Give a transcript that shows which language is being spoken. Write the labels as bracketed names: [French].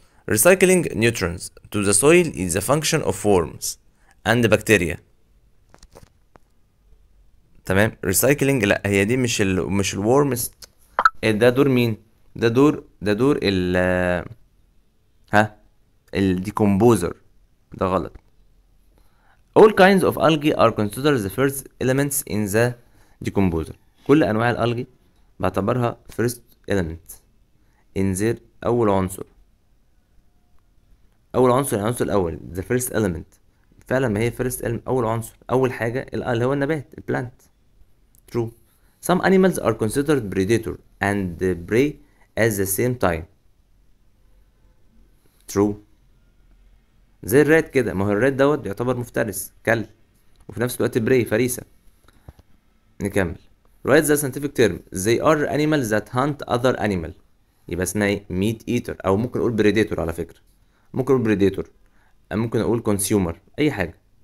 [English] Recycling nutrients to the soil is a function of worms and bacteria. [Arabic] تمام. Recycling، لا هي دي مش ال worms. ده دور مين؟ ده دور ال ها ال decomposer. ده غلط. [English] All kinds of algae are considered the first elements in the decomposer. [Arabic] كل أنواع الألغي بعتبرها [English] first element in their [Arabic] أول عنصر. أول عنصر، العنصر الأول، [English] the first element. [Arabic] فعلا ما هي first element، أول عنصر، أول حاجة اللي هو النبات، ال plant. [English] True. Some animals are considered predator and prey at the same time. True. [Arabic] زي الرات كده، ما هو الرات دوت يعتبر مفترس، كلب، وفي نفس الوقت prey، فريسة. نكمل. [English] Write the scientific term. They are animals that hunt other animals. [Arabic] يبقى اسمها ايه؟ ميت ايتر، او ممكن اقول بريديتور على فكره. ممكن اقول بريديتور، ممكن اقول كونسيومر، اي حاجه.